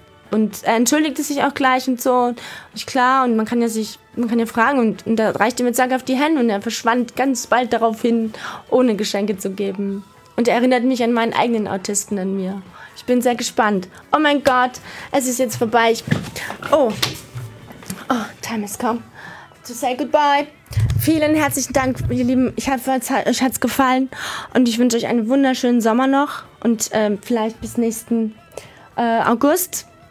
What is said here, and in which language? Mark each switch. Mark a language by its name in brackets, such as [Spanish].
[German] Und er entschuldigte sich auch gleich und so. Und ich klar und man kann ja fragen und da reichte mir zack auf die Hände und er verschwand ganz bald darauf hin, ohne Geschenke zu geben. Und er erinnert mich an meinen eigenen Autisten in mir. Ich bin sehr gespannt. Oh mein Gott, es ist jetzt vorbei. [English] Oh, time has come to say goodbye. [German] Vielen herzlichen Dank, ihr Lieben. Ich hoffe, euch hat es gefallen. Und ich wünsche euch einen wunderschönen Sommer noch. Und vielleicht bis nächsten August.